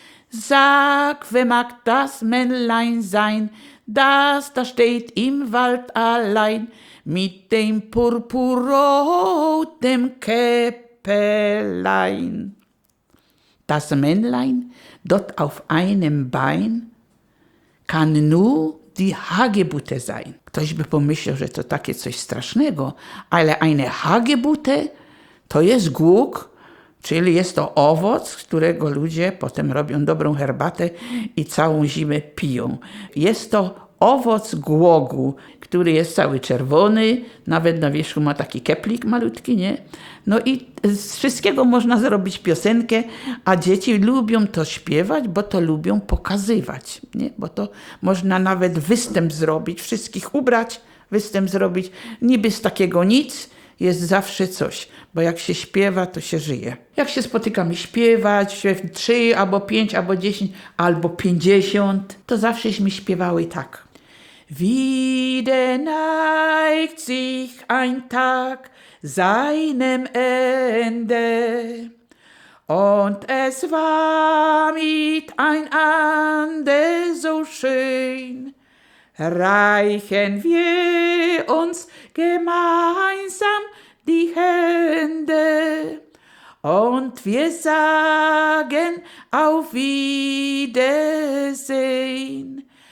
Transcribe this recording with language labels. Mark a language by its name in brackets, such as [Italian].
[German] Sag, wer mag das Männlein sein, das da steht im Wald allein mit dem purpurrotem Käppelein. Das Männlein dort auf einem Bein kann nur die Hagebutte sein. [Polish] Ktoś by pomyślał, że to takie coś strasznego, ale eine Hagebutte to jest głuk, czyli jest to owoc, którego ludzie potem robią dobrą herbatę i całą zimę piją. Jest to owoc głogu, który jest cały czerwony, nawet na wierzchu ma taki keplik malutki, nie? No i z wszystkiego można zrobić piosenkę, a dzieci lubią to śpiewać, bo to lubią pokazywać, nie? Bo to można nawet występ zrobić, wszystkich ubrać, występ zrobić. Niby z takiego nic jest zawsze coś, bo jak się śpiewa, to się żyje. Jak się spotykamy śpiewać, 3 albo 5 albo 10 albo 50, to zawsześmy śpiewały tak. [German] Wieder neigt sich ein Tag seinem Ende, und es war mit ein ander so schön, reichen wir uns gemeinsam die Hände, und wir sagen auf Wiedersehen.